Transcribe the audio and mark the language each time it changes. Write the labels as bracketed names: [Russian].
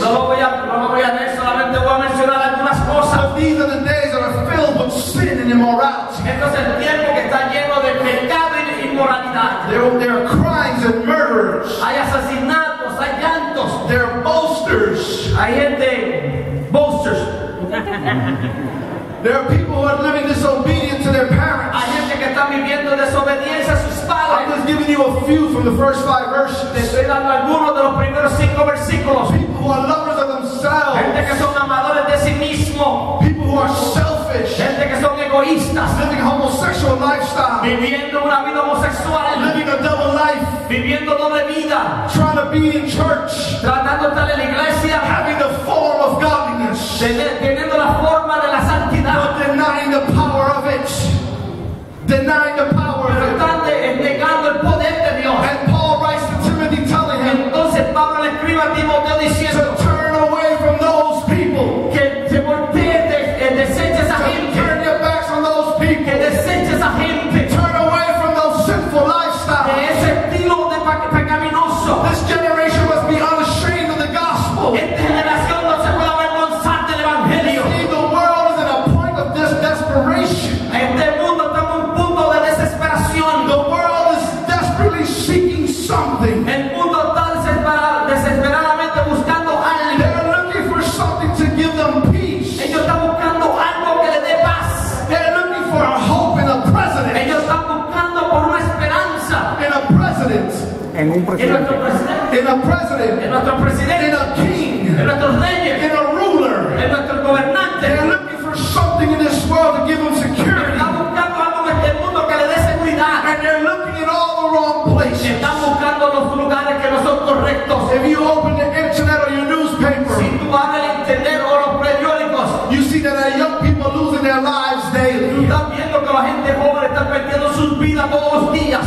[Spanish] No voy a leer, solamente voy a mencionar algunas cosas. [English] But these are the days that are filled with sin and immorality. [Spanish] Esto es el tiempo que está lleno de pecado y inmoralidad. [English] There are crimes and murders. [Spanish] Hay asesinatos, hay llantos. [English] There are boasters. [Spanish] Hay gente boasters. [English] There are people who are living disobedient to their parents. [Spanish] Hay gente que está viviendo desobediencia a sus padres. [English] I'm just giving you a few from the first five verses. [Spanish] Te estoy dando algunos de los primeros cinco versículos. [English] People who are lovers of themselves. [Spanish] Gente que son amadores de sí mismo. [English] People who are selfish. [Spanish] Gente que son egoístas. [English] Living a homosexual lifestyle. [Spanish] Viviendo una vida homosexual. [English] Living a double life. [Spanish] Viviendo doble vida. [English] Trying to be in church. [Spanish] Tratando de estar en la iglesia. [English] Having the form of godliness. [Spanish] Teniendo la forma de la santidad. [English] But denying the power of it. Denying the power of it. [Spanish] Negando el poder de Dios. [English] And Paul writes to Timothy telling him. [Spanish] Entonces Pablo le escribe a Timoteo diciendo. [English] To turn away from those people. [Spanish] Que te voltees de desechas a gente. [English] To turn your backs on those people. [Spanish] Que desechas a gente. [English] Turn away from those sinful lifestyles. [Spanish] De ese estilo de pecaminoso. [English] This generation must be unashamed of the gospel. [Spanish] Esta generación no se puede avergonzar del evangelio. Este mundo está en un punto de desesperación. [English] The world is desperately seeking something. [Spanish] El mundo está desesperadamente buscando algo. [English] They're looking for something to give them peace. [Spanish] Ellos están buscando algo que les dé paz. [English] They're looking for a hope in a president. [Spanish] Ellos están buscando por una esperanza. [English] In a president. [Spanish] En un presidente. En nuestro presidente. [English] In a president. [Spanish] En nuestro presidente. [English] In a king. [Spanish] En nuestros reyes. [English] In a ruler. [Spanish] En nuestro gobernante. [English] They're looking something in this world to give them security. [Spanish] Están buscando algo en este mundo que le dé seguridad. [English] And they're looking in all the wrong places. [Spanish] están buscando los lugares que no son correctos. [English] If you open the internet or your newspaper, [Spanish] si tú abres el internet o los periódicos, [English] you see that our young people are losing their lives daily. [Spanish] Están viendo que la gente joven está perdiendo sus vidas todos los días.